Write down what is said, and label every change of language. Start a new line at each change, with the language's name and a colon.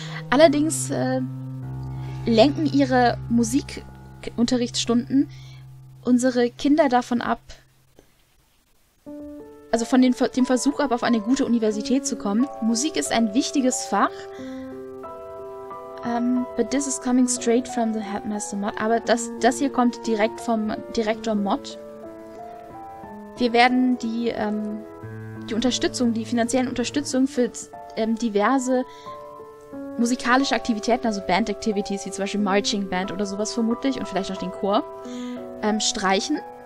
German: Allerdings, lenken ihre Musikunterrichtsstunden unsere Kinder davon ab, also von dem Versuch ab, auf eine gute Universität zu kommen. Musik ist ein wichtiges Fach.
English: But this is coming straight from the Headmaster Mod.
German: Aber das hier kommt direkt vom Direktor Mod. Wir werden die finanzielle Unterstützung für diverse musikalische Aktivitäten, also Band Activities, wie zum Beispiel Marching Band oder sowas vermutlich, und vielleicht noch den Chor, streichen.